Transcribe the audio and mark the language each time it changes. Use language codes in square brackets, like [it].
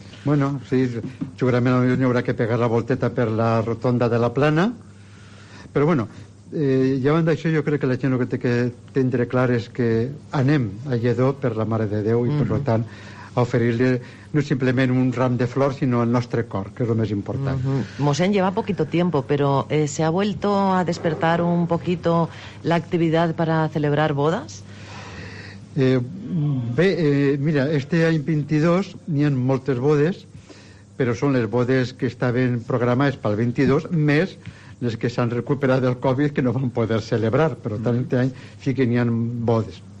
[ca] Bueno, sí, segurament n'hi haurà que pegar la volteta per la rotonda de la Plana, però bueno, ja van d'això, jo crec que la gent que té que tindre clar és que anem a Lledó per la Mare de Déu i per mm-hmm. tant a oferir-li no simplement un ram de flors sinó el nostre cor, que és el més important. Mm-hmm. [es] Mossèn, lleva poquito tiempo, pero ¿se ha vuelto a despertar un poquito la actividad para celebrar bodas? [ca] Mira, este any 22 n'hi ha moltes bodes, però són les bodes que estaven programades pel 22 més les que s'han recuperat del Covid que no van poder celebrar, però tant aquest any sí que n'hi ha bodes.